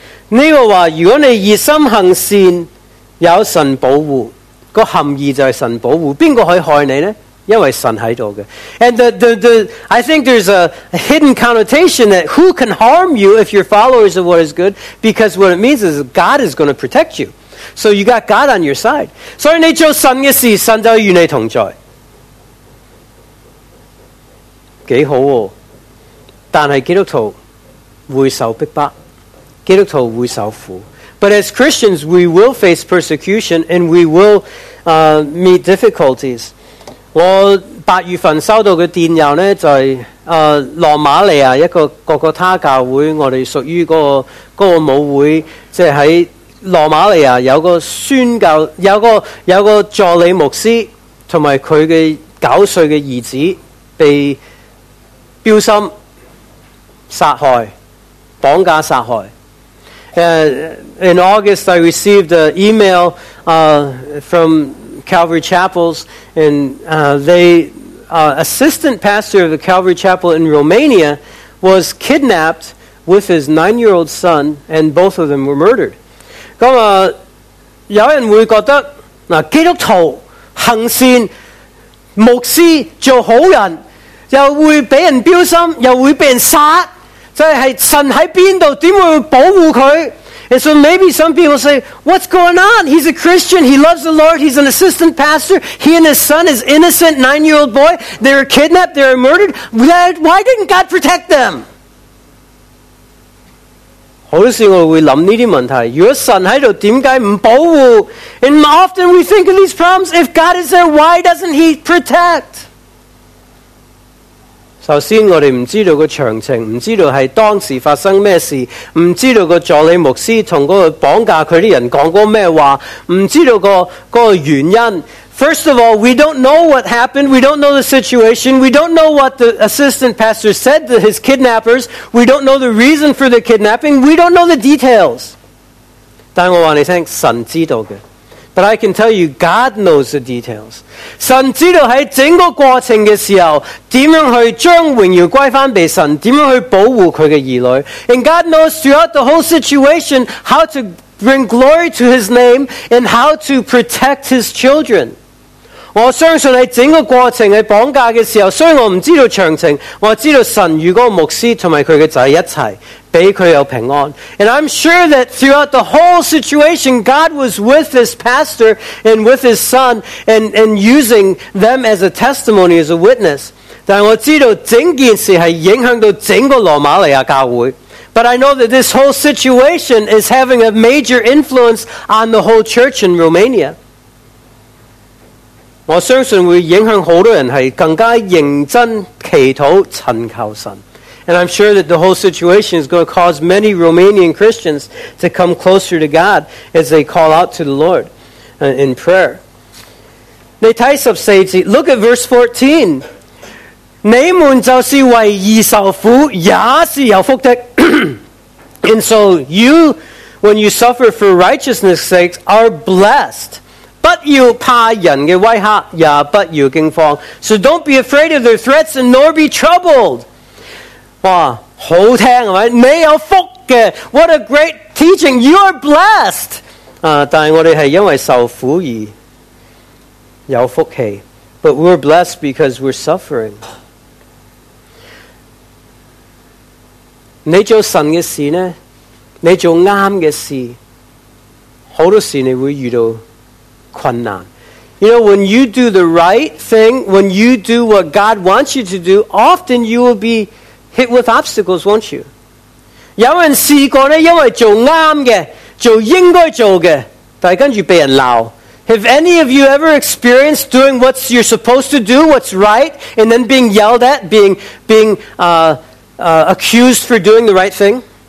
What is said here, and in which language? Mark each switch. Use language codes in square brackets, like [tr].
[zh] 这个话，如果你热心行善，有神保护，个含义就是神保护，谁可以害你呢？因为神在这里。 [en] And the I think there's a hidden connotation that who can harm you if you're followers of what is good? Because what it means is God is going to protect you. So you got God on your side. [zh] 所以你做神的事，神就与你同在。几好哦。但是基督徒会受逼迫，基督徒会受苦。 [en] But as Christians, we will face persecution and we will meet difficulties. [zh] 我八月份收到的电邮呢，就是罗马尼亚一个哥哥他教会，我们属于那个母会，就是在罗马尼亚有个宣教，有个助理牧师和他的九岁的儿子被镖心杀害，绑架杀害。 [en] In August, I received an email from Calvary Chapels, and assistant pastor of the Calvary Chapel in Romania was kidnapped with his 9-year-old son, and both of them were murdered. [zh] 咁啊，有人会觉得嗱，基督徒行善，牧师做好人，又会被人标心，又会被人杀，即系神喺边度？点会保护佢？ [en] And so maybe some people say, what's going on? He's a Christian. He loves the Lord. He's an assistant pastor. He and his son is innocent 9-year-old boy. They were kidnapped. They were murdered. Why didn't God protect them? [zh] 好多时我会想这些问题。 [en] Your son [zh] 在这里为什么不保护? [en] And often we think of these problems. If God is there, why doesn't he protect? [zh] 首先我们不知道详情，不知道是当时发生什么事，不知道助理牧师跟那个绑架他的人说过什么话，不知道那个原因。 [en] First of all, we don't know what happened. We don't know the situation. We don't know what the assistant pastor said to his kidnappers. We don't know the reason for the kidnapping. We don't know the details. [zh] 但我告诉你，神知道的。 [en] But I can tell you, God knows the details. [zh] 神知道在整个过程的时候，怎样去将荣耀归返给神，怎样去保护他的儿女。 [en] And God knows throughout the whole situation how to bring glory to his name and how to protect his children. [zh] 我相信在整个过程在绑架的时候，虽然我不知道详情，我知道神与那个牧师和他的仔一起给他有平安。 [en] And I'm sure that throughout the whole situation, God was with this pastor and with his son and using them as a testimony, as a witness. [zh] 但我知道整件事是影响到整个罗马尼亚教会。 [en] But I know that this whole situation is having a major influence on the whole church in Romania. [zh] 我相信会影响很多人是更加认真祈祷寻求神。 [en] And I'm sure that the whole situation is going to cause many Romanian Christians to come closer to God as they call out to the Lord in prayer. [zh] 你看十四节, [en] look at verse 14. [zh] 你们就是为义受苦, 也是有福的。 [en] And so you, when you suffer for righteousness' sake, are blessed. [zh] 不要怕人的威吓, 也不要惊慌。 [en] So don't be afraid of their threats and nor be troubled. [zh] 哇，好听，是吧？你有福的。 [en] What a great teaching. You are blessed. [zh] 但我们是因为受苦而有福气。 [en] But we're blessed because we're suffering. [zh] 你做神的事呢，你做啱的事，好多时你会遇到困难。 [en] You know, when you do the right thing, when you do what God wants you to do, often you will be hit with obstacles, won't you? [zh] 有人试过呢，因为做啱的，做应该做的，但跟住被人闹。 [en] Have any of you ever experienced doing what you're supposed to do, what's right, and then being yelled at, being accused for doing the right thing?